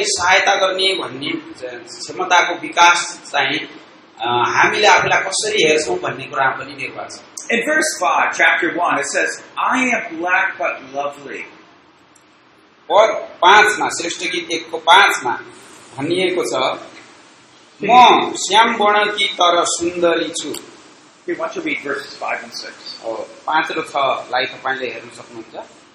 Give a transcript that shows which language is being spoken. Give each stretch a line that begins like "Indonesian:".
Nepali: सहायता गर्ने भन्ने क्षमताको विकास चाहिँ हामीले आफूलाई कसरी हेर्छौँ भन्ने कुरामा पनि निर्भर छ.
English: In verse 5, chapter 1, it says, I am black but lovely.
Nepali: पद 5 मा श्रेष्ठ गीत 1:5 मा भनिएको छ, म श्याम वर्णकी तर सुन्दरी छु. पाँच र छ लाई तपाईँले हेर्न सक्नुहुन्छ.